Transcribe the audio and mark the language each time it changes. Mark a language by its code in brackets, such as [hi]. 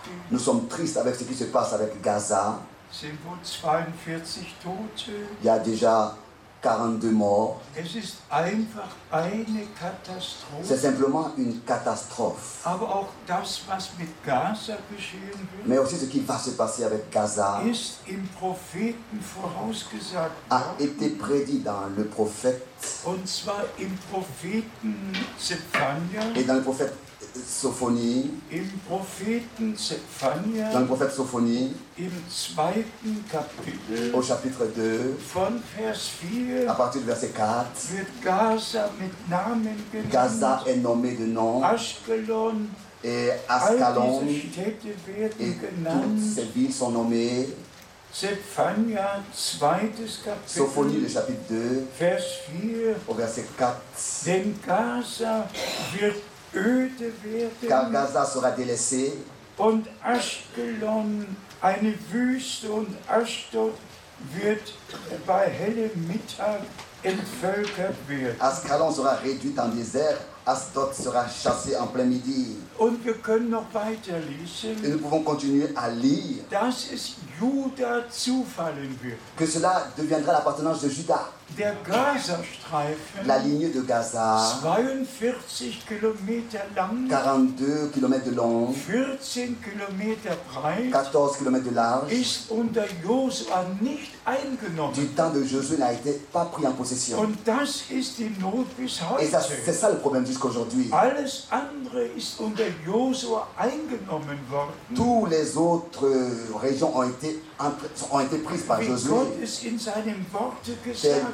[fr] Nous sommes tristes avec ce qui se passe avec Gaza. Il y a déjà 42 morts. [de] Es ist einfach eine Katastrophe. [fr] C'est simplement une catastrophe. [de] Aber auch das, was mit Gaza geschehen wird, [fr] mais aussi ce qui va se passer avec Gaza [de] ist im Propheten vorausgesagt, [fr] a été prédit dans le prophète. [de] Und zwar im Propheten Zephania, [fr] et dans le prophète Sophonie. [de] Im Propheten Zephania, [fr] dans le prophète Sophonie. [de] Im zweiten Kapitel, [fr] au chapitre 2. [de] Von Vers 4, [fr] à partir du verset 4. [de] Wird Gaza mit Namen genannt. [fr] Gaza est nommé de nom. [de] Ashkelon. [fr] Et Ascalon. [de] All diese Städte werden genannt. [fr] Et toutes ces villes sont nommées. [de] Zephania, zweites Kapitel. [fr] Sophonie, le chapitre 2. [de] Vers 4. [fr] Au verset 4. [de] Denn Gaza wird öde werden, [fr] car Gaza sera délaissé, [de] und Ashkelon eine Wüste, und Ashdod wird bei hellem Mittag entvölkert werden. [fr] Ascalon sera réduite en désert, Ashdod sera chassée en plein midi. [de] Und wir können noch weiter lesen, [fr] et nous pouvons continuer à lire, [de] dass es Juda zufallen wird, [fr] que cela deviendra l'appartenance de Juda. [de] Der Gazastreifen, [fr] la ligne de Gaza, [de] 42 Kilometer lang, [fr] 42 Kilometer de long, [de] 14 Kilometer breit, [fr] 14 Kilometer de large, [de] ist unter Josua nicht eingenommen. [fr] Du temps de Josué n'a été pas pris en possession. [de] Und das ist die Not bis heute. [fr] Et ça, c'est ça le problème jusqu'aujourd'hui. [de] Alles andere ist unter Josua eingenommen worden. [fr] Tous les autres régions ont été prises par Josué. [de] Wie Gott es in seinem Worte gesagt.